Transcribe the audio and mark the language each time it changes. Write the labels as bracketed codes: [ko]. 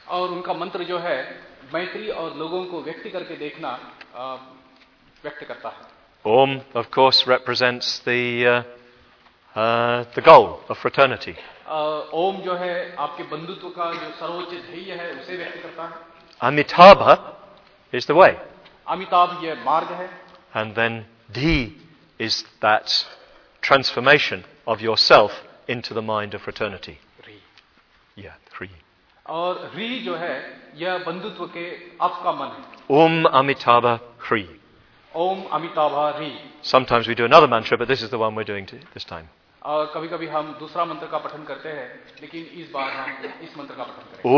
[hi] और उनका मंत्र जो है मैत्री और लोगों को व्यक्ति करके देखना व्यक्त करता है. [en] Om, of course, represents the goal of fraternity. [hi] Om जो है आपके बंधुत्व का जो सर्वोच्च ध्येय है उसे व्यक्त करता है. [en] Amitabha is the way. [hi] Amitabh यह मार्ग है. [en] And then Dhi is that transformation of yourself into the mind of fraternity. [hi] और रि जो है यह बंधुत्व के आपका मन है. ओम अमिताभ रि. ओम अमिताभ रि. [en] Sometimes we do another mantra, but this is the one we're doing this time. [hi] कभी-कभी हम दूसरा मंत्र का पठन करते हैं, लेकिन इस बार हम इस मंत्र का पठन करेंगे.